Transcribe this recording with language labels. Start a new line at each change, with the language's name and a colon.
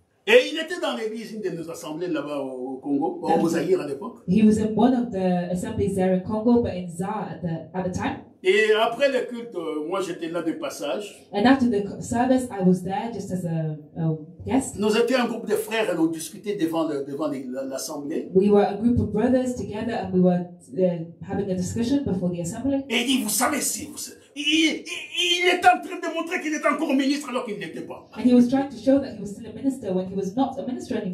French: Et il était dans l'église, une de nos assemblées là-bas au Congo, au Mozaïre à l'époque.
English: He was in one of the assemblies there in Congo, but in Zaire at the time.
French: Et après le culte, moi j'étais là de passage.
English: And after the service, I was there just as a guest.
French: Nous étions un groupe de frères et nous discutions devant l'assemblée.
English: We were a group of brothers together and we were having a discussion before the assembly.
French: Et il dit, vous savez si vous savez. Il est en train de montrer qu'il est encore ministre alors qu'il n'était pas.
English: And he was trying to show that he was still a minister when he was not a minister anymore.